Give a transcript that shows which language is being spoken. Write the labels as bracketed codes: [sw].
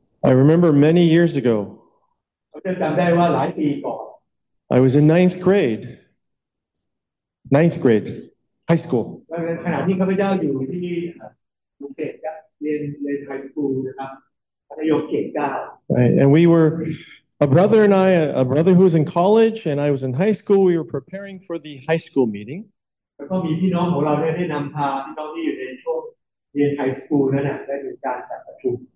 [en] I remember many years ago. [th] ผมจำได้ว่าหลายปีก่อน [en] I was in ninth grade, high school. [th] ขณะที่ข้าพเจ้าอยู่ที่มุกเกะเรียน high school นะครับมัธยมเกตเก้า [en] And we were a brother and I, a brother who was in college, and I was in high school. We were preparing for the high school meeting. [th] แล้วก็มีพี่น้องของเราได้นำพาพี่น้องที่อยู่ในช่วงเรียน high school นั่นแหละได้มีการจัดประชุม